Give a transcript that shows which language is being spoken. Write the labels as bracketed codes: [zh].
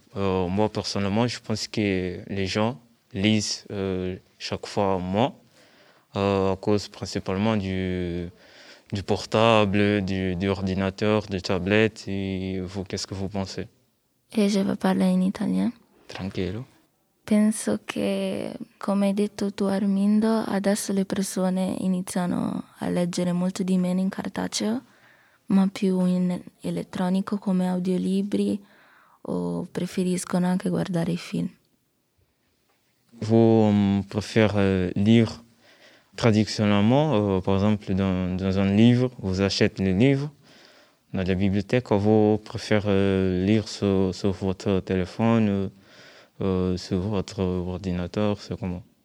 [fr] Moi, personnellement, je pense que les gens lisent chaque fois moins, à cause principalement du portable, du ordinateur, de tablette. Et vous, qu'est-ce que vous pensez? E je vais parler en italien. [it] Tranquillo. Penso che, come hai detto tu Armindo, adesso le persone iniziano a leggere molto di meno in cartaceo, ma più in elettronico come audiolibri o preferiscono anche guardare i film. [fr] Vous préférez lire traditionnellement, par esempio, dans un livre, vous achetez le livre? Dans la bibliothèque, vous préférez lire sur votre téléphone, sur votre ordinateur, c'est comment?